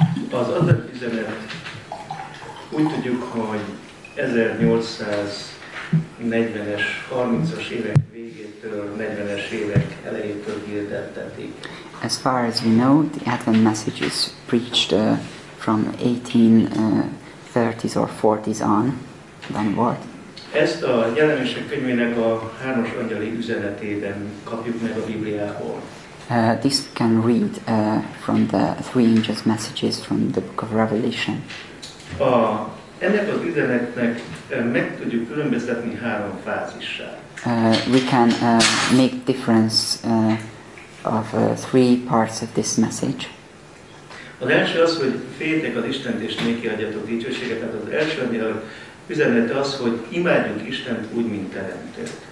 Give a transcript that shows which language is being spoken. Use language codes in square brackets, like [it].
[hu] Az azért üzenet, úgy tudjuk, hogy 1840-es, 30-as évek végétől, 40-es évek elejétől hirdettetik. [en] As far as we know, the Advent message is preached from 1830s or 40s on, then what? [hu] Ezt a jelenések könyvének a hármas angyali üzenetében kapjuk meg a Bibliából. [en] This can read from the three angels' messages from the book of Revelation. [hu] Ennek az üzenetnek meg tudjuk különböztetni három fázissal. [en] We can make difference of three parts of this message. [hu] Az első az, hogy féljetek az Istent és néki adjatok dicsőséget. Tehát az első üzenete az, hogy imádjuk Istent úgy, mint teremtőt.